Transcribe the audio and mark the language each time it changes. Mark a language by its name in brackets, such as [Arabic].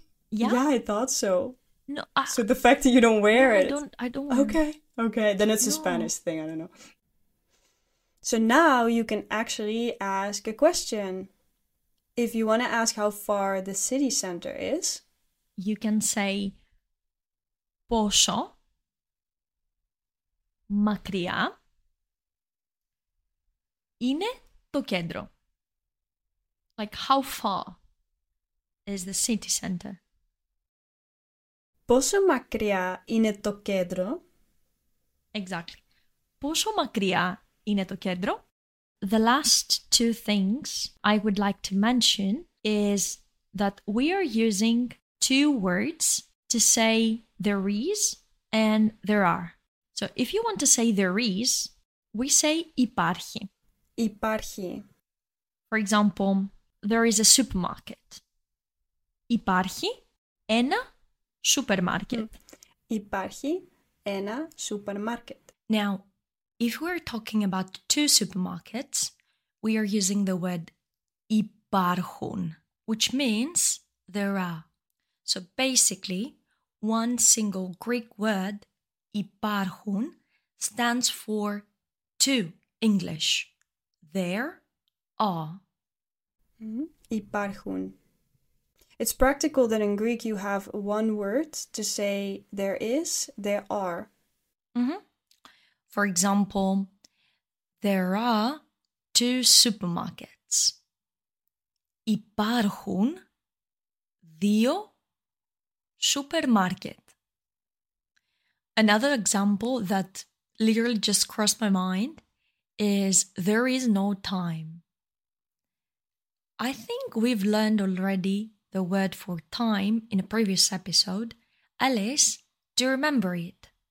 [English] Yeah. Yeah, I thought so. No. So the fact that you don't wear it. I don't. Okay. Then it's a Spanish thing. I don't know. So now you can actually ask a question. If you want to ask how far the city center is, you can say, [Greek] Πόσο μακριά είναι το κέντρο? [English] Like, how far is the city center? [Greek] Πόσο μακριά είναι το κέντρο? [English] Exactly. [Greek] Πόσο μακριά είναι το κέντρο? [English] The last two things I would like to mention is that we are using two words to say there is and there are. So if you want to say there is, we say υπάρχει. [Greek] Υπάρχει. [English] For example, there is a supermarket. [Greek] Υπάρχει ένα supermarket. Υπάρχει ένα supermarket. [English] Now, if we're talking about two supermarkets, we are using the word υπάρχουν, which means there are. So basically, one single Greek word, υπάρχουν, stands for two English. There are. [Greek] Υπάρχουν. [English] It's practical that in Greek you have one word to say there is, there are. For example, there are two supermarkets. [Greek] Υπάρχουν δύο supermarket. [English] Another example that literally just crossed my mind is there is no time. I think we've learned already the word for time in a previous episode. Alice, do you remember it?